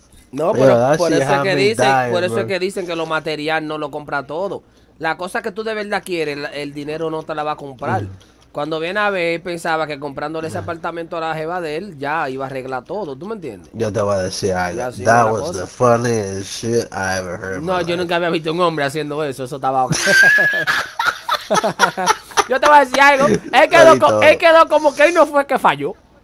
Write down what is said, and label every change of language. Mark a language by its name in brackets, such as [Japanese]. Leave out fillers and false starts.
[Spanish] No, pero por eso es que dicen que lo material no lo compra todo. La cosa que tú de verdad quieres, el dinero no te la va a comprar. Cuando viene a ver, pensaba que comprándole ese apartamento a la jeva de él, ya iba a arreglar todo, ¿tú me entiendes? Yo te voy a decir algo. [English] That was the funniest shit I ever heard. [Spanish] No, yo nunca había visto un hombre haciendo eso. Eso estaba... Yo te voy a decir algo. Él quedó como que él no fue el que falló.